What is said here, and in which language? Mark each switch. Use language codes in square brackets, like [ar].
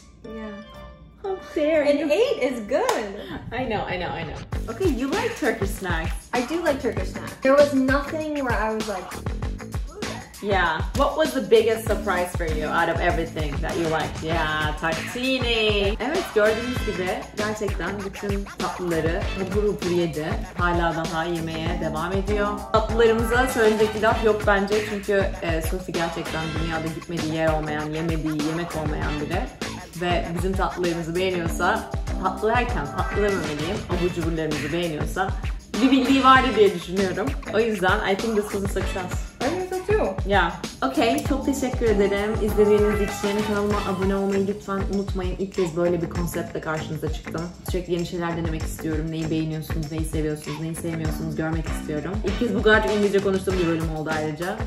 [en] Yeah. How dare you? An 8 is good. I know. Okay, you like Turkish snacks. I do like Turkish snacks. There was nothing where I was like, Yeah. What was the biggest surprise for you out of everything that you liked? Yeah, tartini. [tr] Evet, gördüğünüz gibi gerçekten bütün tatlıları hubur hubur yedi. Hala daha yemeye devam ediyor. Tatlılarımıza söyleyecek bir laf yok bence. Çünkü Sophie gerçekten dünyada gitmediği yer olmayan, yemediği yemek olmayan biri. Ve bizim tatlılarımızı beğeniyorsa, tatlılarken tatlılamamalıyım, abur cuburlarımızı beğeniyorsa bir bildiği var diye düşünüyorum. O yüzden [en] I think this was a success. Yeah. Okay, [tr] çok teşekkür ederim. İzlediğiniz için kanalıma abone olmayı lütfen unutmayın. İlk kez böyle bir konseptle karşınıza çıktım. Sürekli yeni şeyler denemek istiyorum. Neyi beğeniyorsunuz, neyi seviyorsunuz, neyi sevmiyorsunuz görmek istiyorum. İlk kez bu kadar İngilizce konuştuğum bir bölüm oldu ayrıca.